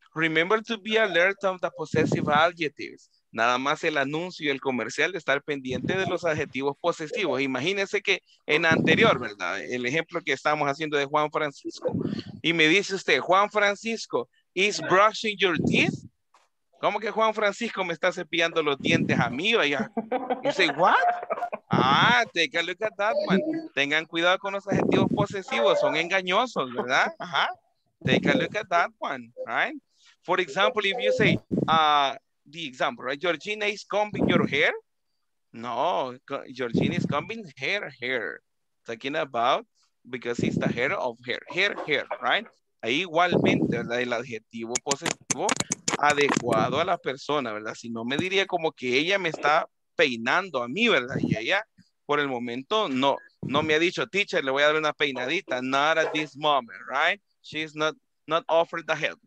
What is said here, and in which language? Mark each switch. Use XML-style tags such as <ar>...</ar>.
<en>Remember to be alert of the possessive adjectives.</en> <es>Nada más el anuncio y el comercial de estar pendiente de los adjetivos posesivos. Imagínense que en anterior, ¿verdad? El ejemplo que estamos haciendo de Juan Francisco. Y me dice usted, Juan Francisco,</es> <en>is brushing your teeth?</en> <es>¿Cómo que Juan Francisco me está cepillando los dientes a mí? Vaya?</es> <en>You say, what?</en> <es>Ah,</es> <en>take a look at that one.</en> <es>Tengan cuidado con los adjetivos posesivos, son engañosos, ¿verdad?</es> <en>Ajá. Take a look at that one, right? For example, if you say, the example, right? Georgina is combing your hair. No, Georgina is combing her hair. Talking about, because it's the hair of her. Her, right?</en> <es>Ahí igualmente, ¿verdad? El adjetivo posesivo adecuado a la persona, ¿verdad? Si no, me diría como que ella me está peinando a mí, ¿verdad? Y ella, por el momento, no me ha dicho, teacher, le voy a dar una peinadita.</es> <en>Not at this moment, right? She's not offered the help.</en>